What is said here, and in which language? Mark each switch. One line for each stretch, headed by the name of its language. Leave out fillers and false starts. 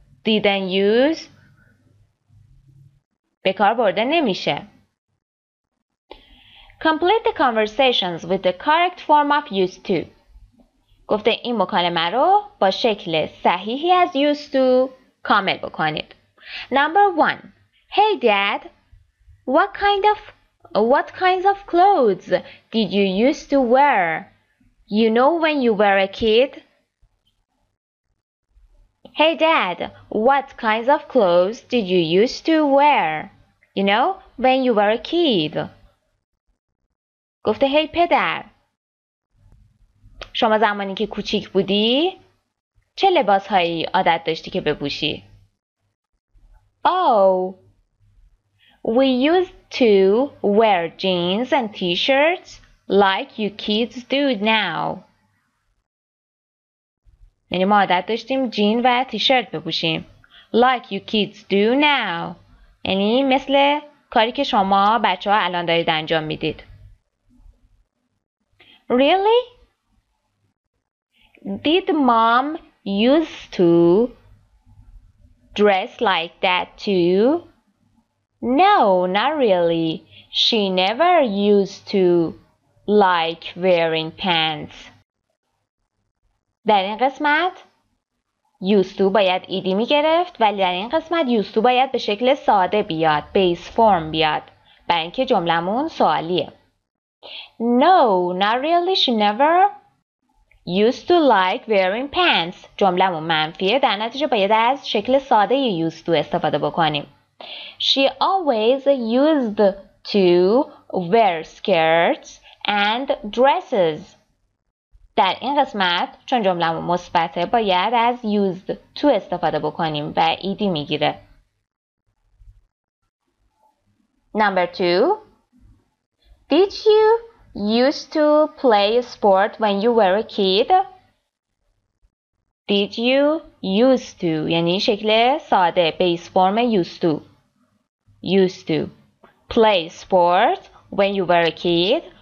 English: Didn't use
Persian: به کار برده نمیشه.
English: Complete the conversations with the correct form of used to.
Persian: گفته این مکالمه رو با شکل صحیحی از used to کامل بکنید.
English: Number 1. Hey dad, What kinds of clothes did you used to wear? You know when you were a kid? Hey dad, what kinds of clothes did you used to wear? You know when you were a kid?
Persian: گفته هی پدر شما زمانی که کوچیک بودی چه لباس هایی عادت داشتی که بپوشی؟
English: We used to wear jeans and t-shirts like you kids do now.
Persian: یعنی ما عادت داشتیم جین و تیشرت بپوشیم.
English: Like you kids do now.
Persian: یعنی مثل کاری که شما بچه ها الان دارید انجام میدید.
English: Really? Did mom used to dress like that too? No, not really. She never used to like wearing pants.
Persian: در این قسمت used to باید ایدی می گرفت ولی در این قسمت used to باید به شکل ساده بیاد. Base form بیاد. برای اینکه جملمون سوالیه.
English: No, not really. She never used to like wearing pants.
Persian: جملمون منفیه. در نتیجه باید از شکل ساده used to استفاده بکنیم.
English: She always used to wear skirts and dresses.
Persian: در این قسمت چون جملمون مثبته باید از used to استفاده بکنیم و ایدی میگیره.
English: Number 2. Did you used to play sport when you were a kid? Did you used to?
Persian: یعنی شکل ساده
English: base form used to. Used to play sports when you were a kid.